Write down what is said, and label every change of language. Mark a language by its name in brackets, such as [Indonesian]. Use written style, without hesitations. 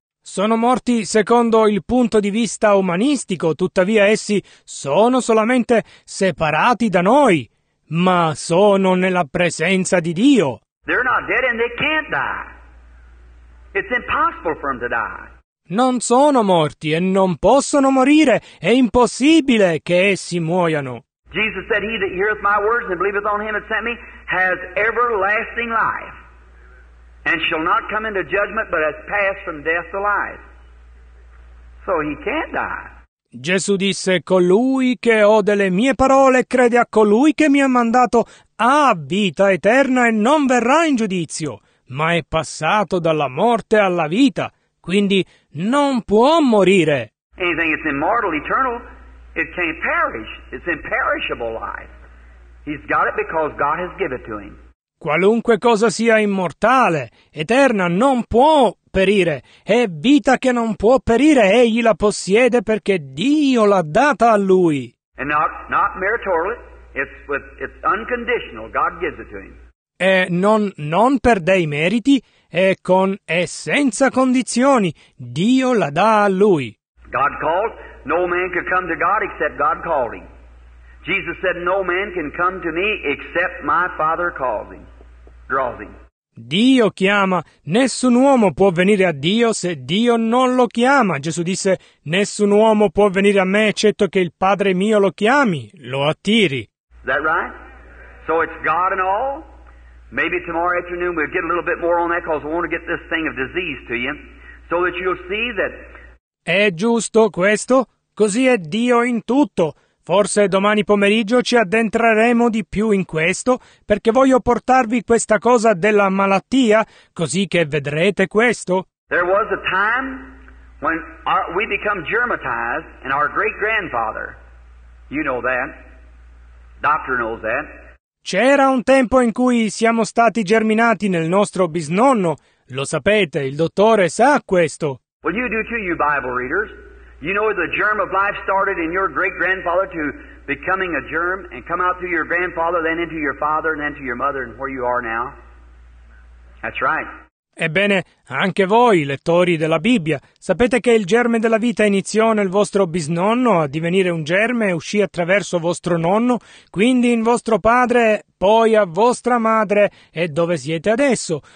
[Italian] Sono morti secondo il punto di vista umanistico, tuttavia essi sono solamente separati da noi, ma sono nella presenza di Dio. [English] They're not dead and they can't die. It's impossible for them to die. [Italian] Non sono morti e non possono morire. È impossibile che essi muoiano. [English] Jesus said, he that heareth my words and believeth on him that sent me has everlasting life. And shall not come into judgment, but has passed from death to life. So he can't die. [Italian] Gesù disse, colui che ode le mie parole e crede a colui che mi ha mandato ha vita eterna e non verrà in giudizio, ma è passato dalla morte alla vita, quindi non può morire. [English] Anything that's immortal, eternal, it can't perish. It's imperishable life. He's got it because God has given it to him. [Italian] Qualunque cosa sia immortale, eterna, non può perire. È vita che non può perire. Egli la possiede perché Dio l'ha data a lui. [English] And not meritorily, it's unconditional. God gives it to him. [Italian] E non per dei meriti, è con e senza condizioni. Dio la dà a lui. [English] God called. No man could come to God except God called him. Jesus said, no man can come to me except my Father calls him, draws him. [Italian] Dio chiama, nessun uomo può venire a Dio se Dio non lo chiama. Gesù disse, nessun uomo può venire a me eccetto che il Padre mio lo chiami, lo attiri. [English] Is that right? So it's God and all? Maybe tomorrow afternoon we'll get a little bit more on that because we want to get this thing of disease to you. So that you'll see that... [Italian] È giusto questo? Così è Dio in tutto. Forse domani pomeriggio ci addentreremo di più in questo, perché voglio portarvi questa cosa della malattia, così che vedrete questo. [English] There was a time when we become germatized and our great-grandfather, you know that, doctor knows that. [Italian] C'era un tempo in cui siamo stati germinati nel nostro bisnonno, lo sapete, il dottore sa questo. [English] Well, you do too, you Bible readers. You know the germ of life started in your great-grandfather to becoming a germ and come out through your grandfather, then into your father, and then to your mother, and where you are now. That's right. [Italian] Ebbene, anche voi, lettori della Bibbia, sapete che il germe della vita iniziò nel vostro bisnonno a divenire un germe e uscì attraverso vostro nonno, quindi in vostro padre, poi a vostra madre, e dove siete adesso.